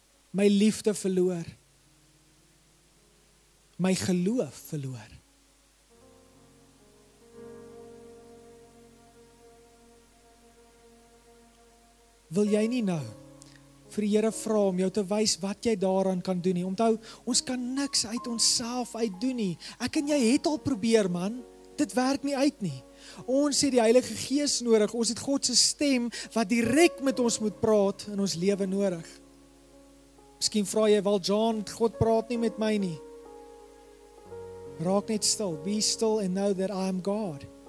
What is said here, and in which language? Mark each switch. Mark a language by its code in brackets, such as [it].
[af] My liefde verloor? My geloof verloor? Wil jy nie nou vir die Here vra om jou te wys wat jy daaraan kan doen nie. Onthou, ons kan niks uit onsself uit doen nie. Ek en jy het al probeer, man. Dit werk nie uit nie. Ons het die Heilige Gees nodig. Ons het God se stem wat direk met ons moet praat in ons lewe nodig. Miskien vra jy wel, John, God praat nie met my nie. Raak net stil. [en] Be still and know that I am God.